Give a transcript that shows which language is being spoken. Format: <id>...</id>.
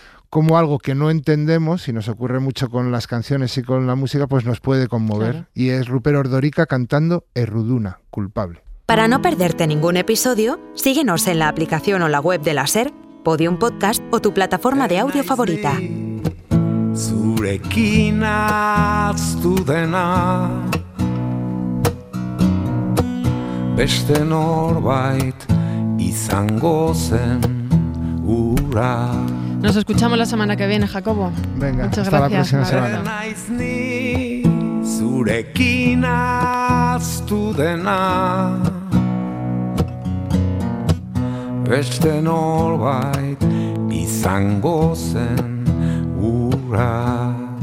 <es>como algo que no entendemos, y nos ocurre mucho con las canciones y con la música, pues nos puede conmover. Claro. Y es Rupert Ordorica cantando Erruduna, Culpable. Para no perderte ningún episodio, síguenos en la aplicación o la web de la SER, Podium Podcast o tu plataforma de audio favorita.</es> <eu>Zurekin ahaztu dena beste norbait izango zen ura.</eu> <es>Nos escuchamos la semana que viene, Jacobo. Venga, muchas hasta gracias. La próxima semana.</es> <eu>Naiz ni zurekin ahaztu dena beste norbait izango zen ura.</eu>